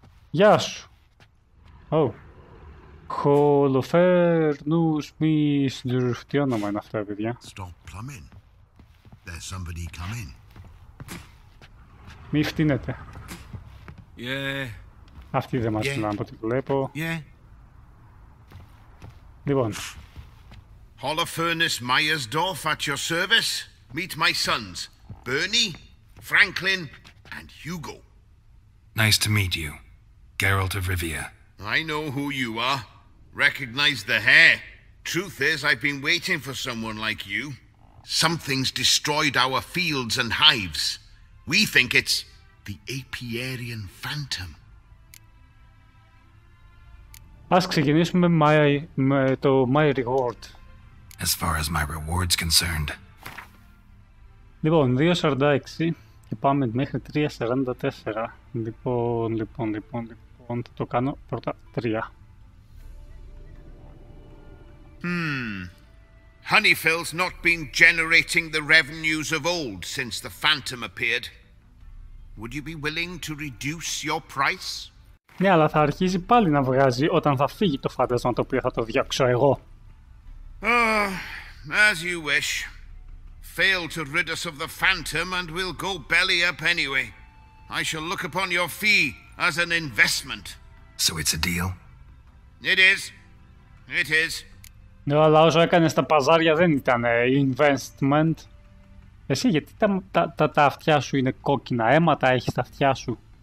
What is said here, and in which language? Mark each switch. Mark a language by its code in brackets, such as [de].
[el] Γεια σου! Ω! Oh. Χολοφέρνους μης... Τι όνομα είναι αυτά, παιδιά. Μη φτύνετε. [en] Yeah. [el] Αυτή δεν μας φτύνει από ό,τι βλέπω. [en] Yeah. [el] Λοιπόν. [en] Holofernes Myersdorf at your service. Meet my sons, Bernie, Franklin, and Hugo. Nice to meet you, Geralt of Rivia. I know who you are. Recognize the hair. Truth is, I've been waiting for someone like you. Something's destroyed our fields and hives. We think it's the Apiarian Phantom. [el] Ας ξεκινήσουμε με το My Reward. [en] As far as my reward's concerned. [el] Λοιπόν, 2.46 και πάμε μέχρι 3.44. Λοιπόν, θα το κάνω πρώτα 3. [en] Honeyfield's not been generating the revenues of old since the Phantom appeared. Would you be willing to reduce your price? [el] Ναι, αλλά θα αρχίζει πάλι να βγάζει όταν θα φύγει το φάντασμα το οποίο θα το διώξω εγώ. [en] As you wish. Fail to rid us of the Phantom and we'll go belly up anyway. I shall look upon your fee as an investment. So it's a deal? It is. It is. [el] Ναι, αλλά όσο έκανες τα παζάρια δεν ήταν investment. Εσύ γιατί τα αυτιά σου είναι κόκκινα, αίματα έχεις τα αυτιά σου.